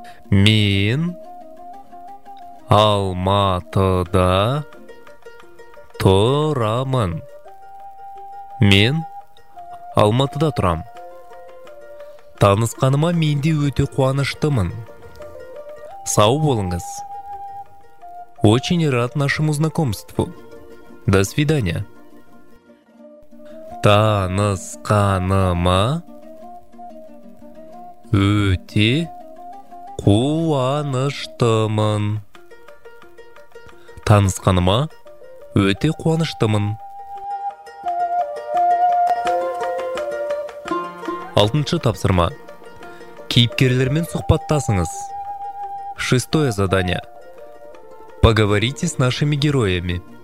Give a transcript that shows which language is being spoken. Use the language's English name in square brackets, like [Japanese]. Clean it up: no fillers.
[Kazakh] Мен Алматыда тұрамын. Мен Алматыда тұрам. Танысқаныма мен де өте қуаныштымын. Сау болыңыз. [Russian] Очень рад нашему знакомству. До свидания. [Kazakh] Танысқаныма өте қуаныштымын. Танысқаныма өте қуаныштымын. 6-шы тапсырма. Кейіпкерлермен сұхбаттасыңыз. [Russian] 6-е задание. Поговорите с нашими героями.